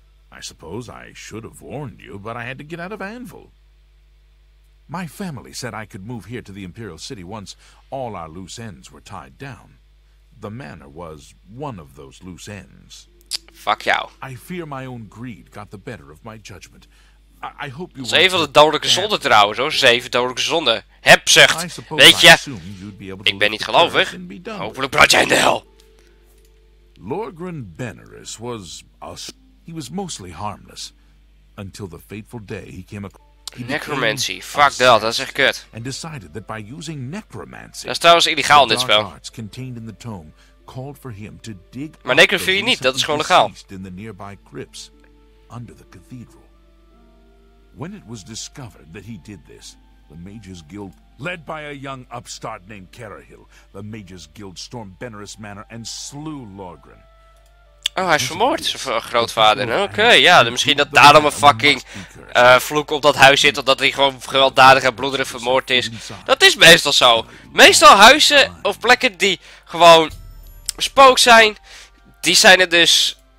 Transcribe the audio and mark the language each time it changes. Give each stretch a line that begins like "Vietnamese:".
English: I suppose I should have warned you, but I had to get out of Anvil. My family said I could move here to the Imperial City once all our loose ends were tied down. The manor was one of those loose ends.
Dutch: Fuck jou.
English: I fear my own greed got the better of my judgment. I hope you...
Dutch: Zeven de dodelijke zonden trouwens hoor, zeven dodelijke zonden. Hebzucht, weet je, ik ben niet gelovig. Hopelijk brand jij in de hel.
English: Lorgren Benaris was a... He was mostly harmless, until the fateful day he came across...
Dutch: Necromancy,
English: fuck that,
Dutch: dat is echt kut.
English: ...and decided that by using necromancy...
Dutch: Dat is trouwens illegaal in dit spel.
English: ...the dark arts contained in the tome called for him to dig...
Dutch: Maar necrofilie niet, dat is gewoon legaal.
English: ...in the nearby crypts under the cathedral. When it was discovered that he did this, the Mage's Guild... Led by a young upstart named Carahill, the Mage's Guild stormed Benaris Manor and slew Lorgren.
Dutch: Oh, hij is vermoord, zijn grootvader. Oké, ja, misschien dat daarom een fucking vloek op dat huis zit, omdat hij gewoon gewelddadig en bloederig vermoord is. Dat is meestal zo. Meestal huizen of plekken die gewoon spook zijn, die zijn er dus...